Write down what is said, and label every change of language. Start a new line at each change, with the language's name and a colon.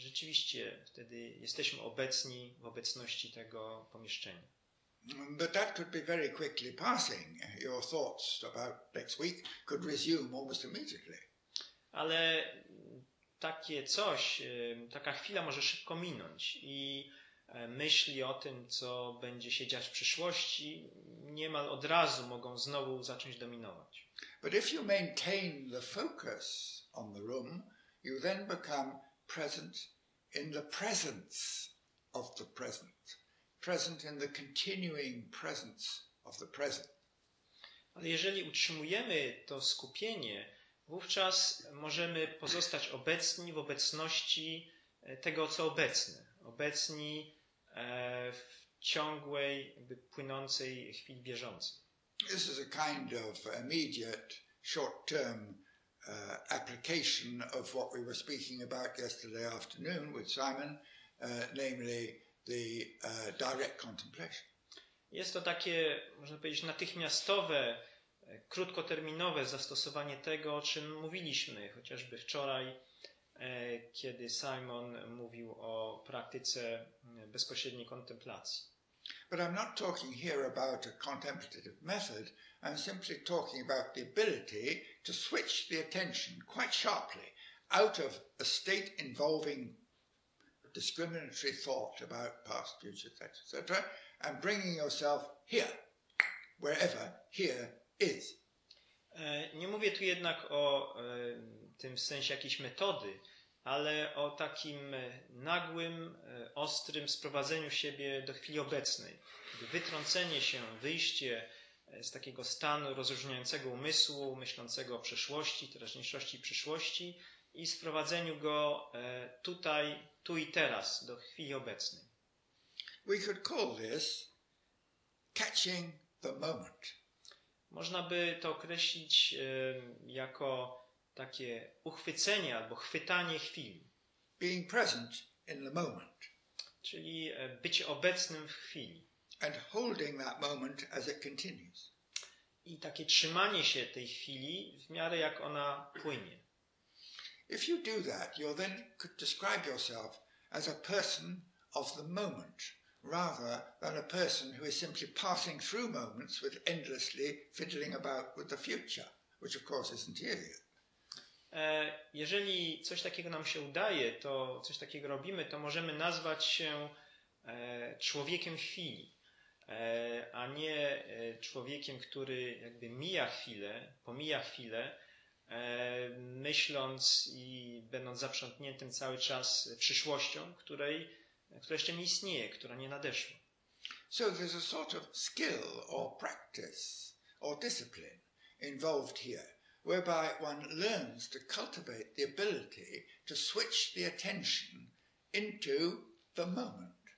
Polish: Rzeczywiście wtedy jesteśmy obecni w obecności tego pomieszczenia.
English: But that could be very quickly passing. Your thoughts about next week could resume almost immediately.
Polish: Ale takie coś, taka chwila może szybko minąć i myśli o tym, co będzie się dziać w przyszłości, niemal od razu mogą znowu zacząć dominować.
English: But if you maintain the focus on the room, you then become present in the presence of the present. Present in the continuing presence of the present.
Polish: Ale jeżeli utrzymujemy to skupienie, wówczas możemy pozostać obecni w obecności tego, co obecne. Obecni w ciągłej, jakby płynącej chwili bieżącej.
English: This is a kind of immediate, short-term application of what we were speaking about yesterday afternoon with Simon, namely the direct contemplation.
Polish: Jest to takie, można powiedzieć, natychmiastowe, krótkoterminowe zastosowanie tego, o czym mówiliśmy chociażby wczoraj, kiedy Simon mówił o praktyce bezpośredniej kontemplacji.
English: But I'm not talking here about a contemplative method. I'm simply talking about the ability to switch the attention quite sharply out of a state involving discriminatory thought about past, future, etc., and bringing yourself here, wherever here is.
Polish: Nie mówię tu jednak o tym w sensie jakiejś metody, ale o takim nagłym, ostrym sprowadzeniu siebie do chwili obecnej. Wytrącenie się, wyjście z takiego stanu rozróżniającego umysłu, myślącego o przeszłości, teraźniejszości, przyszłości i sprowadzeniu go tutaj, tu i teraz, do chwili obecnej.
English: We could call this catching the moment.
Polish: Można by to określić jako takie uchwycenie albo chwytanie chwili.
English: Being present in the moment.
Polish: Czyli być obecnym w chwili.
English: And holding that moment as it continues.
Polish: I takie trzymanie się tej chwili w miarę jak ona płynie.
English: If you do that, you then could describe yourself as a person of the moment, rather than a person who is simply passing through moments with endlessly fiddling about with the future, which of course isn't here.
Polish: Jeżeli coś takiego nam się udaje, to coś takiego robimy, to możemy nazwać się człowiekiem chwili, a nie człowiekiem, który jakby mija chwilę, pomija chwilę, myśląc i będąc zaprzątniętym cały czas przyszłością, która jeszcze nie istnieje, która nie nadeszła.
English: So there's a sort of skill or practice or discipline involved here, whereby one learns to cultivate the ability to switch the attention into the moment.